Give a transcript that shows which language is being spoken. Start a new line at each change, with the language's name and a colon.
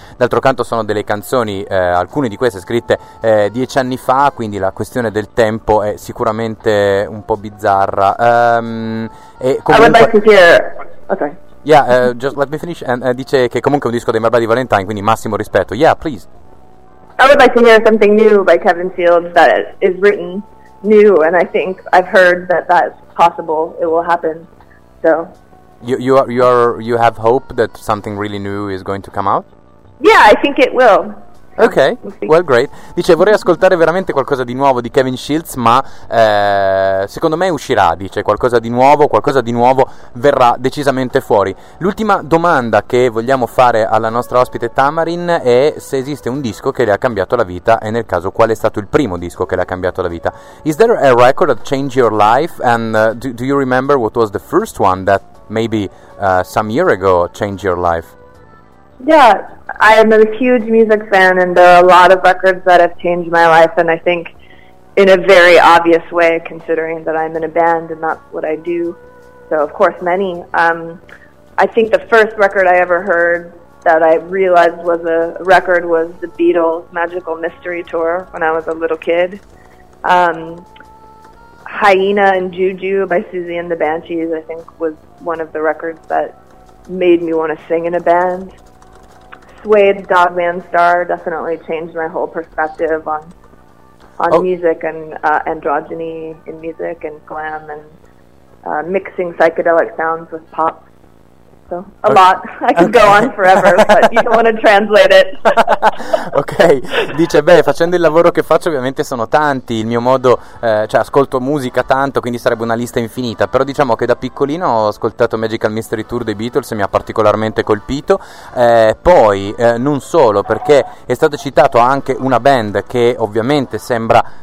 Italian: D'altro canto sono delle canzoni, alcune di queste scritte 10 anni fa, quindi la questione del tempo è sicuramente un po' bizzarra.
English: Just let me finish.
Italian: Dice che comunque è un disco dei My Bloody Valentine, quindi massimo rispetto.
English: Yeah, please. I would like to hear something new by Kevin Fields that is written new, and I think I've heard that that's possible. It will happen. So, you have hope that something really new is going to come out? Yeah, I think it will. Ok, well, great.
Italian: Dice, vorrei ascoltare veramente qualcosa di nuovo di Kevin Shields, ma secondo me uscirà, dice, qualcosa di nuovo verrà decisamente fuori. L'ultima domanda che vogliamo fare alla nostra ospite Tamarin è se esiste un disco che le ha cambiato la vita e nel caso qual è stato il primo disco che le ha cambiato la vita.
English: Is there a record that changed your life and do you remember what was the first one that maybe some year ago changed your life? Yeah, I am a huge music fan, and there are a lot of records that have changed my life, and I think in a very obvious way, considering that I'm in a band and that's what I do, so of course many. I think the first record I ever heard that I realized was a record was the Beatles' Magical Mystery Tour when I was a little kid. Hyena and Juju by Susie and the Banshees, I think, was one of the records that made me want to sing in a band. Suede's Dog Man Star definitely changed my whole perspective on music and androgyny in music and glam and mixing psychedelic sounds with pop. So, a lot. I could go on forever, but you don't want to translate it.
Italian: Ok, dice, beh, facendo il lavoro che faccio ovviamente sono tanti, il mio modo, cioè ascolto musica tanto, quindi sarebbe una lista infinita, però diciamo che da piccolino ho ascoltato Magical Mystery Tour dei Beatles e mi ha particolarmente colpito, poi non solo, perché è stato citato anche una band che ovviamente sembra